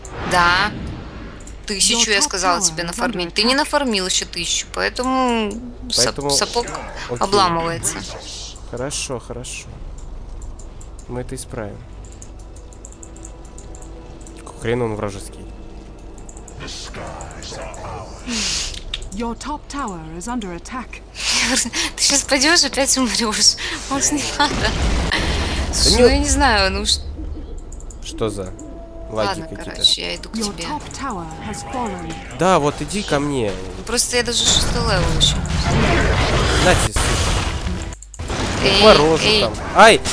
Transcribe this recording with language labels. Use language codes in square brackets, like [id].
[ru] Да. 1000 я сказала тебе нафармить. Ты не нафармил еще 1000, поэтому сапог обламывается. Хорошо, хорошо. Мы это исправим. Какой хрен он вражеский. [en] Your top tower is under attack. [ru] Ты сейчас пойдешь, опять умрешь. Может, не надо. Слушай, ну я не знаю, ну что. Что за лаги какие-то? Ладно, короче, я иду к тебе. [en] Your top tower has fallen. [ru] Да, вот иди ко мне. Просто я даже 6-й левел еще. Знаете, сука. Морожу там. Ай!